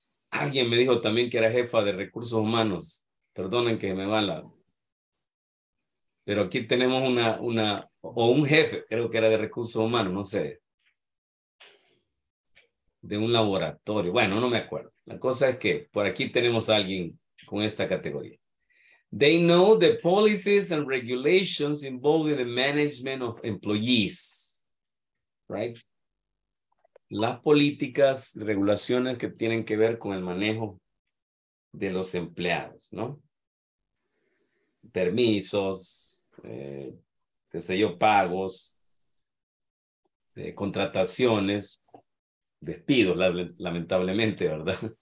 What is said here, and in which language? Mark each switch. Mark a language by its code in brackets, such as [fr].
[es] Alguien me dijo también que era jefa de recursos humanos. Perdonen que me va la. Pero aquí tenemos una o un jefe, creo que era de recursos humanos, no sé. De un laboratorio. Bueno, no me acuerdo. La cosa es que por aquí tenemos a alguien con esta categoría. [en] They know the policies and regulations involved in the management of employees, right? [es] Las políticas, regulaciones que tienen que ver con el manejo de los empleados, ¿no? Permisos, qué sé yo, pagos, contrataciones, despidos, lamentablemente, ¿verdad?